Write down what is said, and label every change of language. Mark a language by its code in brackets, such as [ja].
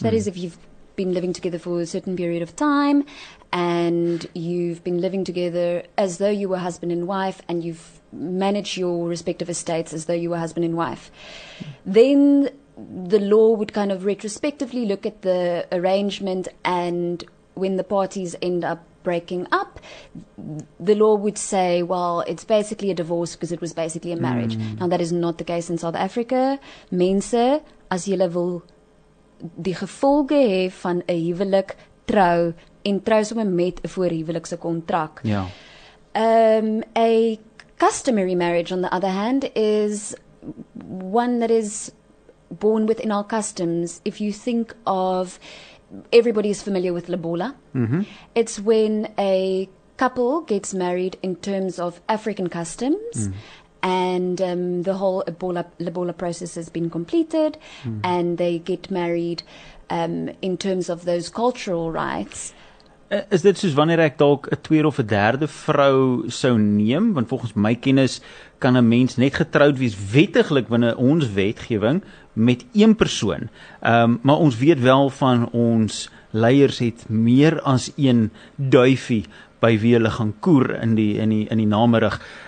[en] That is, if you've been living together for a certain period of time and you've been living together as though you were husband and wife and you've managed your respective estates as though you were husband and wife, then the law would kind of retrospectively look at the arrangement, and when the parties end up breaking up, the law would say, well, it's basically a divorce because it was basically a marriage. Now, that is not the case in South Africa. [af] Mense, as jy wil die gevolge hê van 'n huwelik, trou, en trou sommer met 'n voorhuwelikse kontrak. [en] A customary marriage, on the other hand, is one that is born within our customs. If you think of, everybody is familiar with Lobola. It's when a couple gets married in terms of African customs, and the whole Lobola process has been completed, and they get married in terms of those cultural rites. [af] Is dit soos wanneer ek dalk 'n tweede of 'n derde vrou sou neem? Want volgens my kennis kan 'n mens net getroud wees wettiglik binne ons wetgewing met een persoon. Maar ons weet wel van ons leiers het meer as een duifie by wie hulle gaan koer in die namiddag.